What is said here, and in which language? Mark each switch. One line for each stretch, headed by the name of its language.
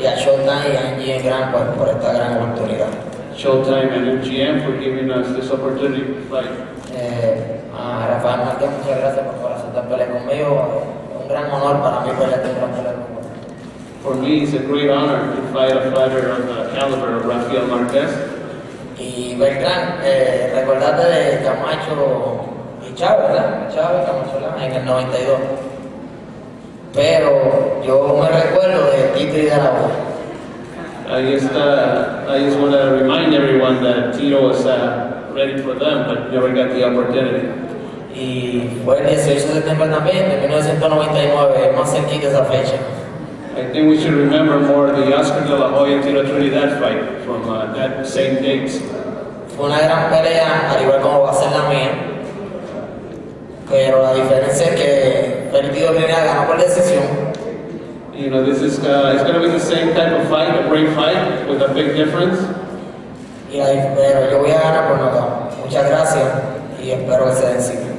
Spanish: Y a Showtime y a MGM Grand por esta gran oportunidad.
English: Showtime and MGM for giving us this opportunity to fight.
Spanish: Rafael Marquez, muchas gracias por aceptar pelear conmigo. Un gran honor para mí pelear con Rafael.
English: For me, it's a great honor to fight a fighter of the caliber of Rafael Marquez.
Spanish: Y Beltrán, recordate de Camacho y Chávez, ¿verdad? Chávez y Camacho en el 92. Pero yo me recuerdo de Tito y de la voz.
English: I just want to remind everyone that Tito was ready for them, but never got the opportunity.
Spanish: Y fue el 18 de septiembre también, de 1999, más cerquita esa fecha.
English: I think we should remember more the Oscar De La Hoya Tito Trinidad fight from that same date.
Spanish: Fue una gran pelea, al igual como va a ser la mía. Pero la diferencia es que Tito Trinidad ganó por decisión.
English: You know, this is it's going to be the same type of fight, a great fight, with a big difference.
Spanish: Pero yo voy a ganar por nota. Muchas gracias y espero que se den cita.